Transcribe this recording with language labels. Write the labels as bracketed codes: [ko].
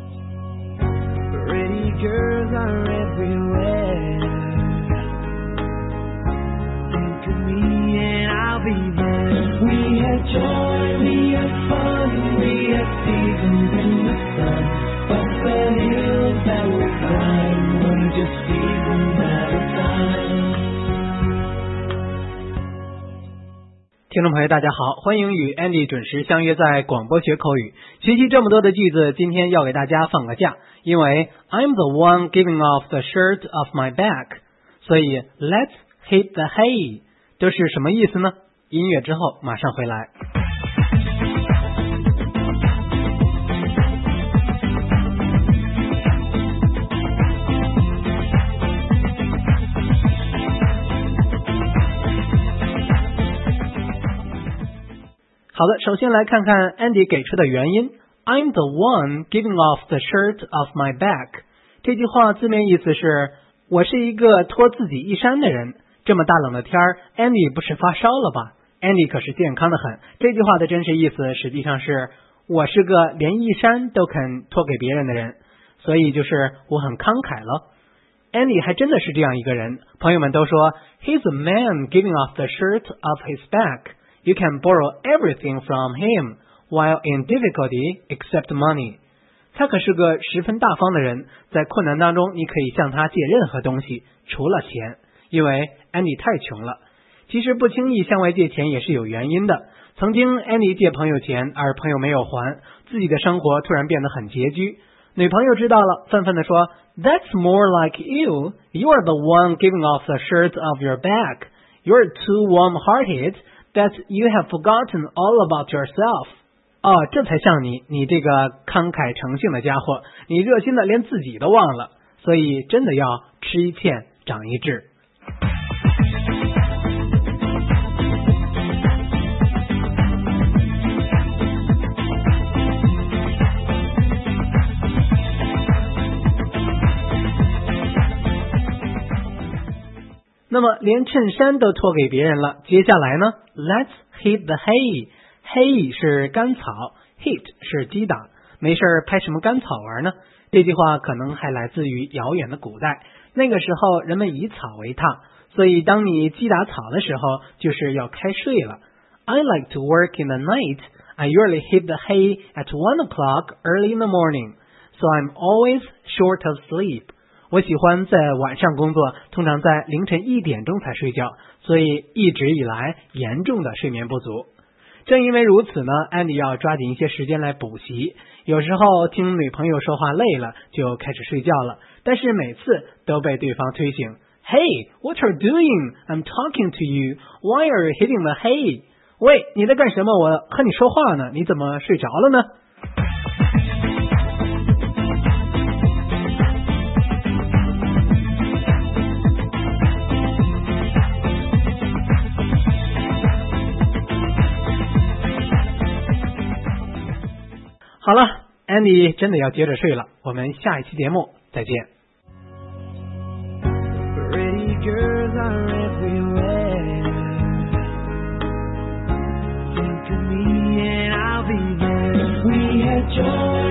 [en] Think of me and I'll be there. We had joy, we had fun, we had seasons in the sun. But the hills that we climbed were just seasons at a time. [zh] 听众朋友大家好，欢迎与 Andy 准时相约在广播学口语。学习这么多的句子，今天要给大家放个假，因为 [en] I'm the one giving off the shirt of my back， [zh] 所以 [en] Let's hit the hay [zh] 这是什么意思呢？音乐之后马上回来。好的，首先来看看 Andy 给出的原因。 [en] I'm the one giving off the shirt of my back， [zh] 这句话字面意思是我是一个脱自己衣衫的人。这么大冷的天， Andy 不是发烧了吧？Andy 可是健康的很。这句话的真实意思实际上是我是个连衣衫都肯脱给别人的人，所以就是我很慷慨了。 [en] Andy [zh] 还真的是这样一个人，朋友们都说 [en] He's a man giving off the shirt of his backYou can borrow everything from him while in difficulty except money. [zh] 他可是个十分大方的人，在困难当中你可以向他借任何东西除了钱，因为 Andy 太穷了。其实不轻易向外借钱也是有原因的。曾经 Andy 借朋友钱而朋友没有还，自己的生活突然变得很拮据。女朋友知道了，愤愤地说 [en] That's more like you. You are the one giving off the shirt of your back. You're too warm-hearted. That you have forgotten all about yourself. [zh] 哦，这才像你，你这个慷慨诚信的家伙，你热心的连自己都忘了，所以真的要吃一堑长一智。那么连衬衫都脱给别人了，接下来呢 [en] Let's hit the hay. [zh] Hay 是干草， hit 是击打，没事拍什么干草玩呢？这句话可能还来自于遥远的古代，那个时候人们以草为榻，所以当你击打草的时候就是要开睡了。 [en] I like to work in the night. I usually hit the hay at 1 o'clock early in the morning, so I'm always short of sleep. [zh] 我喜欢在晚上工作，通常在凌晨一点钟才睡觉，所以一直以来严重的睡眠不足。正因为如此呢， Andy 要抓紧一些时间来补习。有时候听女朋友说话累了就开始睡觉了，但是每次都被对方推醒。 [en] Hey, what are you doing? I'm talking to you. Why are you hitting the hay? [zh] 喂，你在干什么？我和你说话呢，你怎么睡着了呢？好了， Andy 真的要接着睡了，我们下一期节目再见。 [en] Pretty girls are everywhere. Think of me and I'll be there. We had joy.